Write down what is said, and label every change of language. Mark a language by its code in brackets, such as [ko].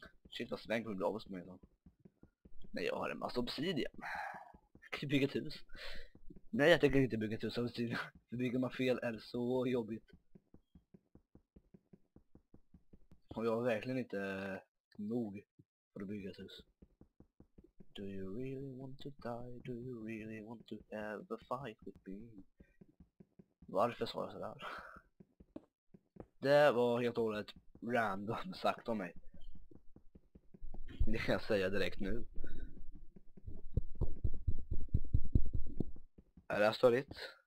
[sv] Shit vad sväng kommer bli av oss med dem. Nej, jag har en massa obsidian. Jag kan bygga ett hus. Nej, jag tänker inte bygga ett hus av obsidian. För bygger man fel är det så jobbigt. Och jag har verkligen inte nog för att bygga ett hus. [en] Do you really want to die? Do you really want to have a fight with me? [sv] Varför sa jag sådär? Det var helt och hållet random sagt om mig. Det kan jag säga direkt nu. Är det här störigt?